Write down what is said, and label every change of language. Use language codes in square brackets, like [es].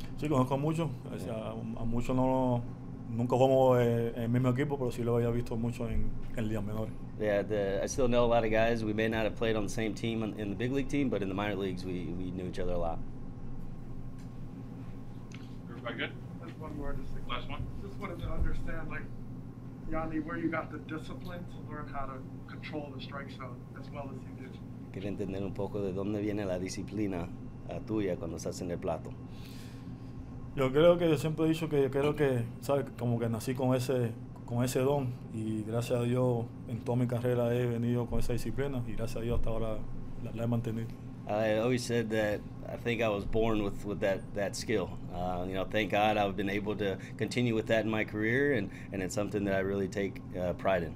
[es] Sí, conozco mucho. A muchos no nunca jugamos en mismo equipo, pero sí lo había visto mucho en ligas menores. [en] Yeah, I still know a lot of guys. We may not have played on the same team in the big league team, but in the minor leagues, we knew each other a lot. Everybody good? Just one more. Last one. Just wanted to understand, like, Yandy, where you got the discipline to learn how to control the strike zone as well as you did. [es] Quiero entender un poco de dónde viene la disciplina tuya cuando estás en el plato. Yo creo que yo siempre he dicho que yo creo que, ¿sabes? Como que nací con ese... con ese don y gracias a Dios en toda mi carrera he venido con esa disciplina y gracias a Dios hasta ahora la he mantenido. [en] I always said that I think I was born with that skill. You know, thank God I've been able to continue with that in my career and it's something that I really take pride in.